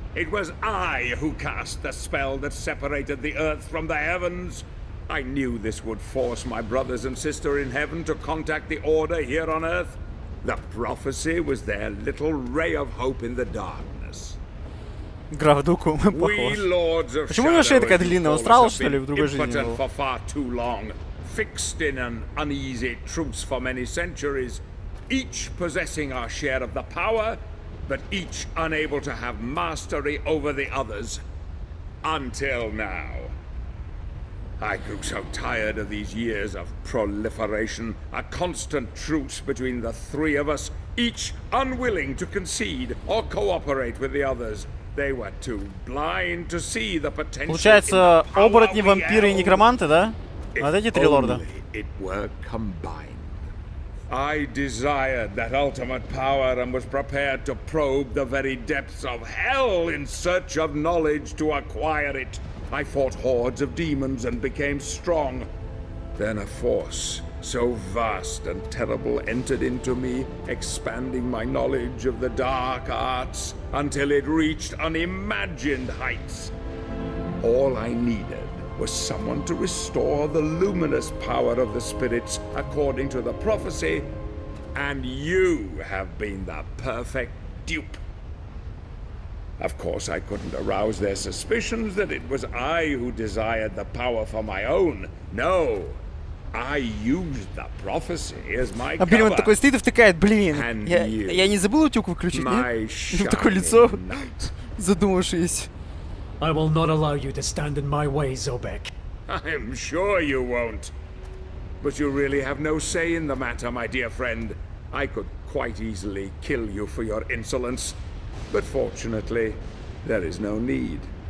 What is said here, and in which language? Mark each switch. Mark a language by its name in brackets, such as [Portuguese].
[English] It was I who cast the spell that separated the earth from the heavens. I knew this would force my brothers and sister in heaven to contact the Order here on Earth. The prophecy was their little ray of hope in the darkness. [Russian] Гравдуку, мы похожи. Почему у него шея такая длинная? Он страл, что ли, в другой жизни был? [English] For far too long, fixed in an uneasy truce for many centuries, each possessing our share of the power, but each unable to have mastery over the others. Until now. I grew so tired of these years of proliferation, a constant truce between the three of us, each unwilling to concede or cooperate with the others. They were too blind to see the potential. [Russian] Получается, оборотни, вампиры и некроманты, да? Вот эти три лорда. [English] It were combined. I desired that ultimate power and was prepared to probe the very depths of hell in search of knowledge to acquire it. I fought hordes of demons and became strong. Then a force so vast and terrible entered into me, expanding my knowledge of the dark arts until it reached unimagined heights. All I needed was someone to restore the luminous power of the spirits according to the prophecy, and you have been the perfect dupe. Of course, I couldn't arouse their suspicions that it was I who desired the power for my own. No, I used the prophecy as my cover. [Russian] А Бельмонт такой стоит и втыкает, блин, я не забыл утюг выключить, нет? И вот такое лицо, задумавшись. [English] I will not allow you to stand in my way, Zobek. I'm sure you won't. But you really have no say in the matter, my dear friend. I could quite easily kill you for your insolence. But fortunately, there is no need.